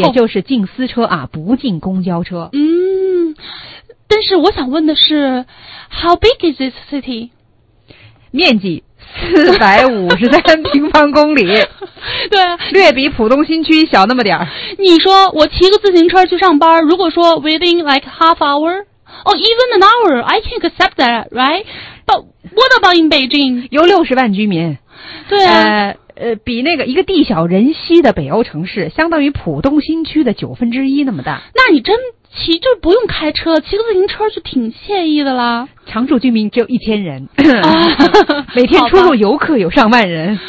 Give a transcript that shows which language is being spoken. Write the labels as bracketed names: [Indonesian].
[Chinese] 也就是禁私车啊，不禁公交车。嗯，但是我想问的是 ， [English] How big is this city？ [Chinese] 面积453平方公里，对，略比浦东新区小那么点儿。你说我骑个自行车去上班，如果说 [English] within like half hour。 Oh, even an hour, I can accept that, right? But what about in Beijing? [Chinese] 有60万居民。对啊。比那个一个地小人稀的北欧城市，相当于浦东新区的1/9那么大。那你真骑就不用开车，骑个自行车就挺惬意的啦。常住居民只有1000人。啊、每天出入游客有上万人。